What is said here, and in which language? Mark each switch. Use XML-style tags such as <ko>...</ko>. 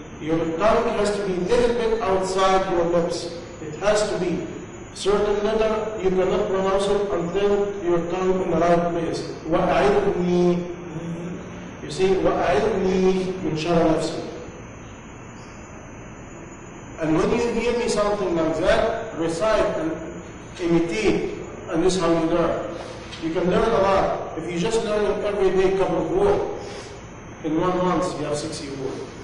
<en>Your tongue has to be a little bit outside your lips. It has to be. Certain letter, you cannot pronounce it until your tongue in the right place.</en> <ar>وَأَعِذْنِي.</ar> <en>You see,</en> <ar>وَأَعِذْنِي مِنْ شَرَ نَفْسِي.</ar> <en>And when you hear me something like that, recite and imitate. And this is how you learn. You can learn a lot. If you just learn it every day, couple of words, in 1 month, you have 60 words.</en>